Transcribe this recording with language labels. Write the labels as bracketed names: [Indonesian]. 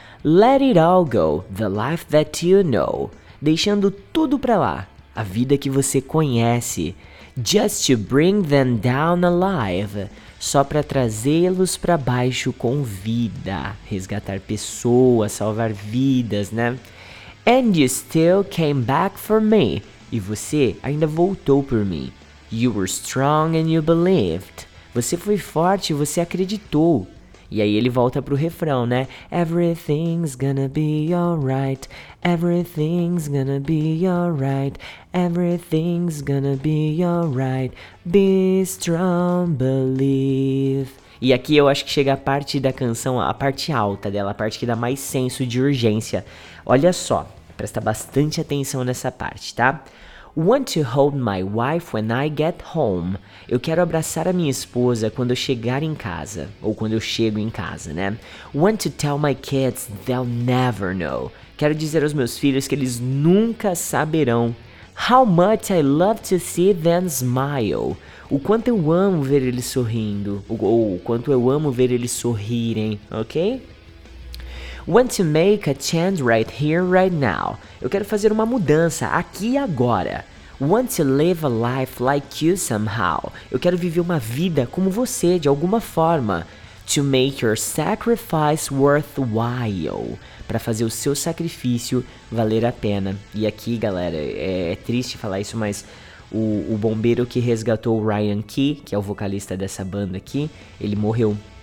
[English] Let it all go, the life that you know. [Portuguese] Deixando tudo pra lá, a vida que você conhece. [English] Just to bring them down alive. [Portuguese] Só pra trazê-los pra baixo com vida. Resgatar pessoas, salvar vidas, né? [English] And you still came back for me. [Portuguese] E você ainda voltou por mim. [English] You were strong and you believed. [Portuguese] Você foi forte e você acreditou. E aí ele volta pro refrão, né? [English] Everything's gonna be alright. Everything's gonna be alright. Everything's gonna be alright. Be strong, believe. [Portuguese] E aqui eu acho que chega a parte da canção, a parte alta dela, a parte que dá mais senso de urgência. Olha só. Presta bastante atenção nessa parte, tá? [English] Want to hold my wife when I get home. [Portuguese] Eu quero abraçar a minha esposa quando eu chegar em casa. Ou quando eu chego em casa, né? [English] Want to tell my kids they'll never know. [Portuguese] Quero dizer aos meus filhos que eles nunca saberão. [English] How much I love to see them smile. [Portuguese] O quanto eu amo ver eles sorrindo. Ou o quanto eu amo ver eles sorrirem, ok? [English] Want to make a change right here, right now. [Portuguese] Eu quero fazer uma mudança aqui e agora. [English] Want to live a life like you somehow. [Portuguese] Eu quero viver uma vida como você, de alguma forma. [English] To make your sacrifice worthwhile. [Portuguese] Pra fazer o seu sacrifício valer a pena. E aqui, galera, é triste falar isso, mas o bombeiro que resgatou o Ryan Key, que é o vocalista dessa banda aqui, ele morreu.